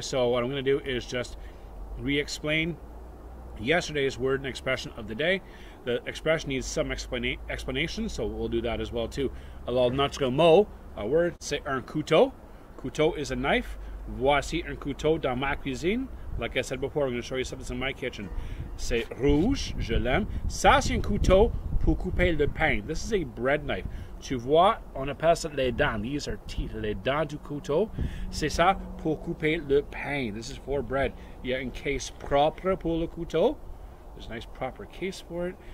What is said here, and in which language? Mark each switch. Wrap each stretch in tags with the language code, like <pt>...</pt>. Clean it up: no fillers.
<en>So what I'm going to do is just re-explain yesterday's word and expression of the day. The expression needs some explanation, so we'll do that as well too.</en> <fr>Alors, notre mot,</fr> <en>a word,</en> <fr>c'est un couteau.</fr> <en>Couteau is a knife.</en> <fr>Voici un couteau dans ma cuisine.</fr> <en>Like I said before, I'm going to show you something that's in my kitchen.</en> <fr>C'est rouge, je l'aime. Ça, c'est un couteau pour couper le pain.</fr> <en>This is a bread knife.</en> <fr>Tu vois, on appelle ça les dents.</fr> <en>These are teeth.</en> <fr>Les dents du couteau. C'est ça pour couper le pain.</fr> <en>This is for bread.</en> <fr>Il y a une case propre pour le couteau.</fr> <en>There's a nice proper case for it.</en>